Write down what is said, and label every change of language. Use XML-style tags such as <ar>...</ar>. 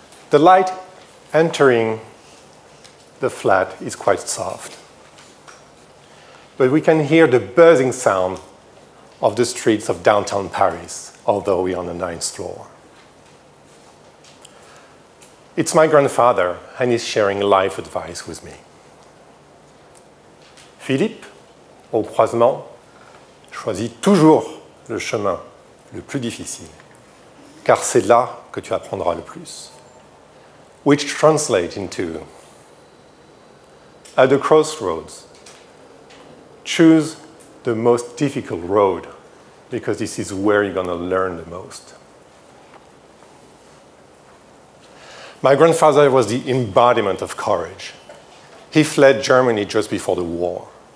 <en>The light entering the flat is quite soft. But we can hear the buzzing sound of the streets of downtown Paris, although we're on the 9th floor. It's my grandfather, and he's sharing life advice with me.</en> <fr>Philippe, au croisement, choisis toujours le chemin le plus difficile, car c'est là que tu apprendras le plus.</fr> <en>Which translates into, at the crossroads, choose the most difficult road, because this is where you're going to learn the most. My grandfather was the embodiment of courage. He fled Germany just before the war.</en>